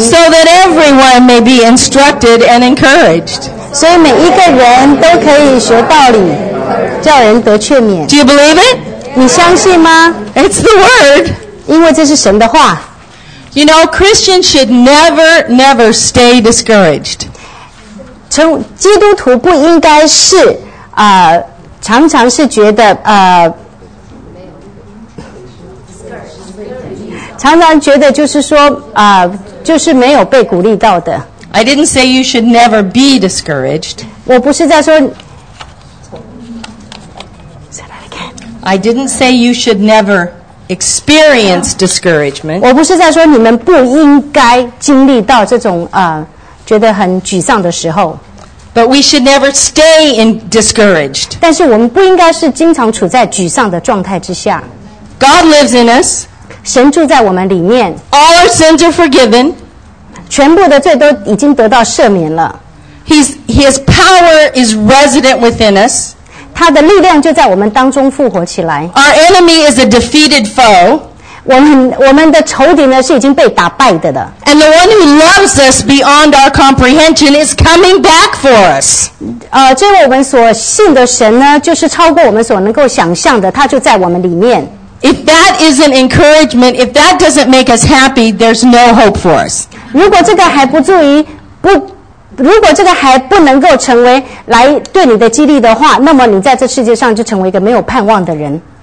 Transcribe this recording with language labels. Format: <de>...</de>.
<en>so that everyone may be instructed and encouraged.</en> <zh>所以每一个人都可以学道理，叫人得劝勉。</zh> <en>Do you believe it?</en> <zh>你相信吗？</zh> <en>It's the word.</en> <zh>因为这是神的话。</zh> <en>You know, Christians should never, never stay discouraged.</en> <zh>从基督徒不应该是常常是觉得常常觉得就是说就是没有被鼓励到的。</zh> <en>I didn't say you should never be discouraged.</en> <zh>我不是在说。</zh> <en>I didn't say you should never experience discouragement.</en> <zh>我不是在说你们不应该经历到这种觉得很沮丧的时候。</zh> <en>But we should never stay in discouraged.</en> <zh>但是我们不应该是经常处在沮丧的状态之下。</zh> <en>God lives in us.</en> <zh>神住在我们里面。</zh> <en>All our sins are forgiven.</en> <zh>全部的罪都已经得到赦免了。</zh> <en>His power is resident within us.</en> <zh>他的力量就在我们当中复活起来。</zh> <en>Our enemy is a defeated foe.</en> <zh>我们的仇敌呢是已经被打败的了。</zh> <en>And the one who loves us beyond our comprehension is coming back for us.</en> <zh>这位我们所信的神呢，就是超过我们所能够想象的，他就在我们里面。</zh> <en>If that isn't encouragement, if that doesn't make us happy, there's no hope for us.</en> <zh>如果这个还不足以不如果这个还不能够成为来对你的激励的话，那么你在这世界上就成为一个没有盼望的人。</zh>